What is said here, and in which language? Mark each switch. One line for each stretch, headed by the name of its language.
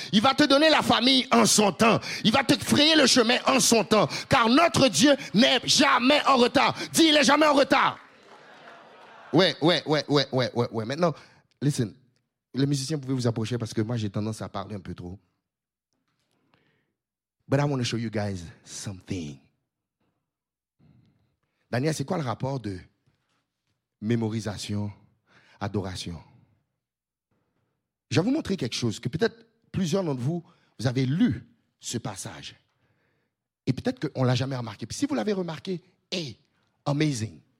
French: Il va te donner la famille en son temps. Il va te frayer le chemin en son temps. Car notre Dieu n'est jamais en retard. Dis, il est jamais en retard. Ouais. Maintenant,
English: listen,
French: les musiciens pouvaient vous approcher parce que moi, j'ai tendance à parler un peu trop.
English: But I want to show you guys something.
French: Daniel, c'est quoi le rapport de mémorisation, adoration? Je vais vous montrer quelque chose que peut-être plusieurs d'entre vous, vous avez lu ce passage. Et peut-être qu'on ne l'a jamais remarqué. Puis si vous l'avez remarqué,
English: hey, amazing.